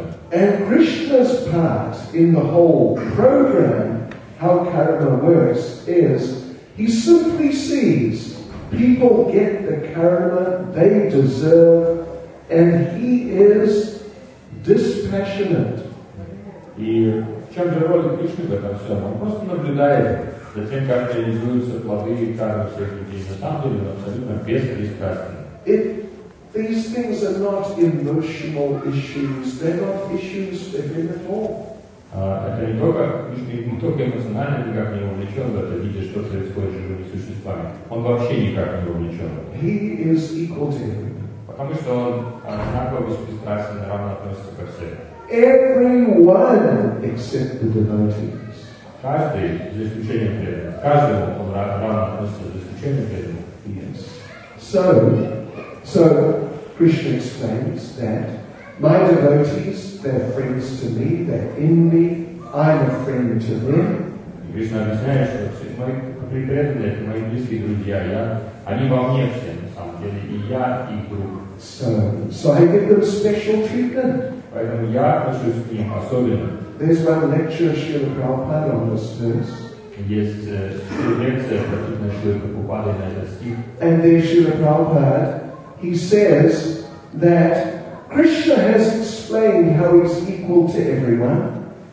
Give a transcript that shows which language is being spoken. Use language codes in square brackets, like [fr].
[en] And Krishna's part in the whole program, how karma works, is he simply sees people get the karma they deserve, and he is dispassionate. [ru] И в чем же роль Кришны в этом всем? Он просто наблюдает за тем, как реализуются плоды и кармы всех людей. На самом деле он абсолютно беспристрастный. [en] These things are not emotional issues. They're not issues for him at all. [ru] Это не только, эмоционально никак не увлечен в это, видя, что происходит с живыми существами. Он вообще никак не увлечен. [en] He is equal to him. [ru] Потому что он одинаково беспристрастен и равно относится ко всем. [en] Everyone except the devotees. [ru] Каждый, за исключением преданных. Каждому он равно относится, за исключением преданных. [en] Yes. So Krishna explains that my devotees, they're friends to me, they're in me, I'm a friend to them. [ru] Krishna объясняет, что все мои преданные, это мои близкие друзья, я, они во мне все, на самом деле, и я их друг. [en] So I give them special treatment. [ru] Поэтому я отношусь к ним особенно. [en] There's one lecture Srila Prabhupada on this verse. [ru] Есть лекция про Шрила Прабхупады на этот стих. [en] And there Srila Prabhupada, he says that Krishna has explained how he's equal to everyone.